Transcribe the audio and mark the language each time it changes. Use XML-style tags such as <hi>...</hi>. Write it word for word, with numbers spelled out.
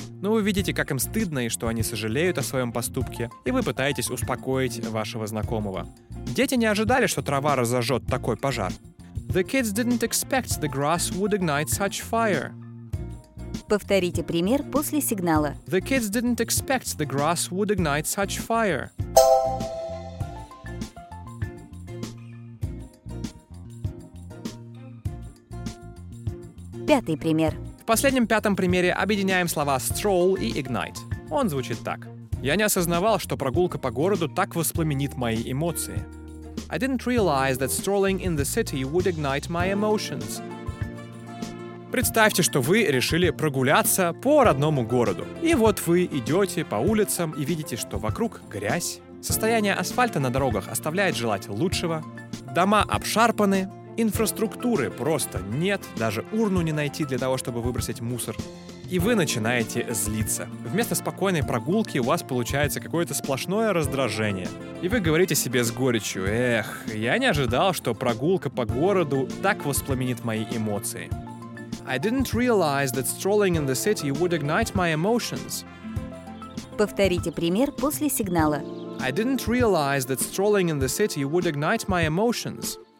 <ru>Но вы видите, как им стыдно и что они сожалеют о своем поступке, и вы пытаетесь успокоить вашего знакомого. Дети не ожидали, что трава разожжет такой пожар.</ru> <en>The kids didn't expect the grass would ignite such fire.</en> <ru>Повторите пример после сигнала.</ru> <en>The kids didn't expect the grass would ignite such fire.</en> <ru>Пятый пример. В последнем пятом примере объединяем слова stroll и ignite. Он звучит так. Я не осознавал, что прогулка по городу так воспламенит мои эмоции.</ru> <en>I didn't realize that strolling in the city would ignite my emotions.</en> <ru>Представьте, что вы решили прогуляться по родному городу. И вот вы идете по улицам и видите, что вокруг грязь. Состояние асфальта на дорогах оставляет желать лучшего. Дома обшарпаны. Инфраструктуры просто нет. Даже урну не найти для того, чтобы выбросить мусор. И вы начинаете злиться. Вместо спокойной прогулки у вас получается какое-то сплошное раздражение. И вы говорите себе с горечью: «Эх, я не ожидал, что прогулка по городу так воспламенит мои эмоции».</ru> <en>I didn't realize that strolling in the city would ignite my emotions.</en> <ru>Повторите пример после сигнала.</ru> <en>I didn't realize that strolling in the city would ignite my emotions.</en>